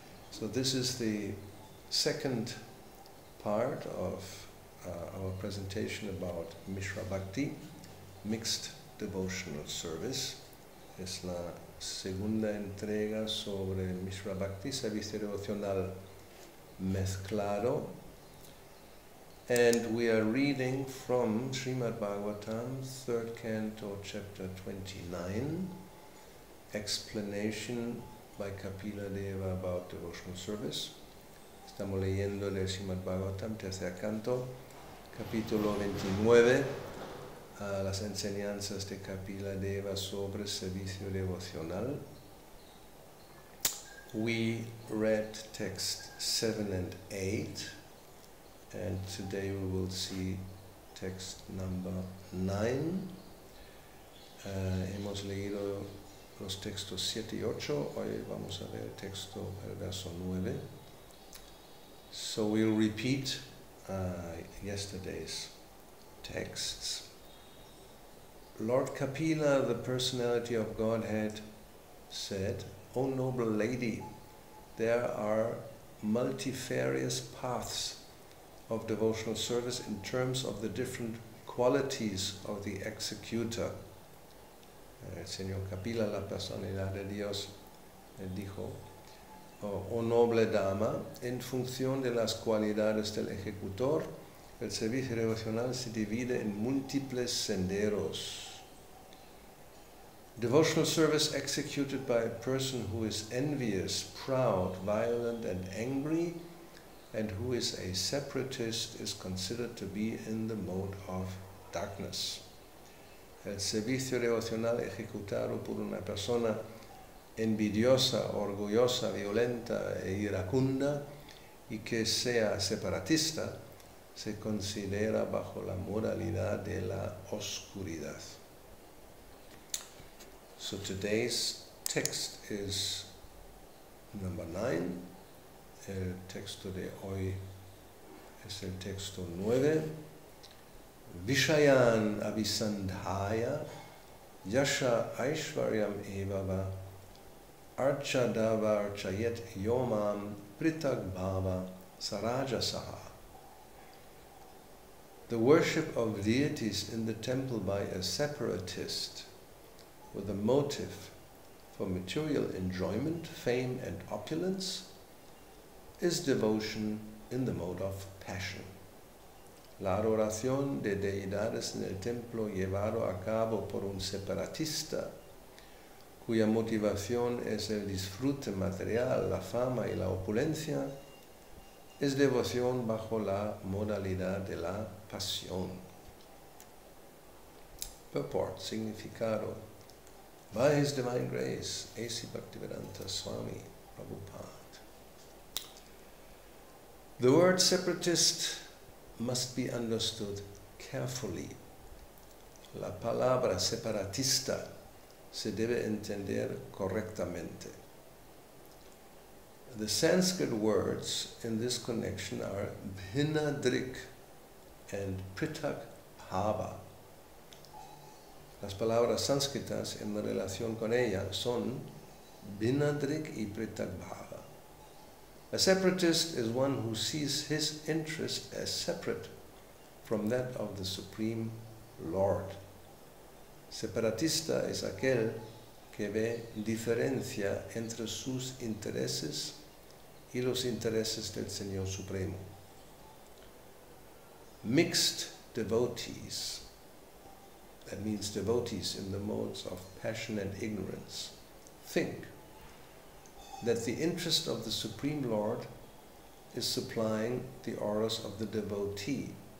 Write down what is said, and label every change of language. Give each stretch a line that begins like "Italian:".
English: So this is the second part of our presentation about Misra Bhakti, mixed devotional service.
Spanish: Es la segunda entrega sobre Misra Bhakti, servicio devocional mezclado.
English: And we are reading from Srimad Bhagavatam, 3rd canto, chapter 29, explanation by Kapila Deva about devotional service.
Spanish: Estamos leyendo el Srimad Bhagavatam, 3rd canto, capítulo 29, las enseñanzas de Kapila Deva sobre servicio devocional.
English: We read text 7 and 8. And today we will see text number 9.
Spanish: Hemos leído los textos 7 y 8. Hoy vamos a ver el verso 9.
English: So we'll repeat yesterday's texts. Lord Kapila, the personality of Godhead, said, O noble lady, there are multifarious paths of devotional service in terms of the different qualities of the executor.
Spanish: El Señor Kapila, la personalidad de Dios, dijo, oh noble dama, en función de las cualidades del ejecutor, el servicio devocional se divide en múltiples senderos.
English: Devotional service executed by a person who is envious, proud, violent, and angry, and who is a separatist, is considered to be in the mode of darkness.
Spanish: El servicio devocional ejecutado por una persona envidiosa, orgullosa, violenta e iracunda, y que sea separatista, se considera bajo la modalidad de la oscuridad.
English: So today's text is number 9.
Spanish: El texto de hoy es el texto 9.
Sanskrit: Vishayan avisandhaya yasha aishvaryam evava archadava archayet yomam pritagbhava sarajasaha.
English: The worship of deities in the temple by a separatist with a motive for material enjoyment, fame and opulence is devotion in the mode of passion.
Spanish: La adoración de deidades en el templo llevado a cabo por un separatista, cuya motivación es el disfrute material, la fama y la opulencia, es devoción bajo la modalidad de la pasión.
English: Purport, significado. By His Divine Grace, A.C. Bhaktivedanta Swami Prabhupada. The word separatist must be understood carefully.
Spanish: La palabra separatista se debe entender correctamente.
English: The Sanskrit words in this connection are bhinadrik and pritakbhava.
Spanish: Las palabras sánscritas en relación con ella son bhinadrik y pritakbhava.
English: A separatist is one who sees his interest as separate from that of the Supreme Lord.
Spanish: Separatista es aquel que ve diferencia entre sus intereses y los intereses del Señor Supremo.
English: Mixed devotees, that means devotees in the modes of passion and ignorance, think that the interest of the Supreme Lord is supplying the auras of the devotee.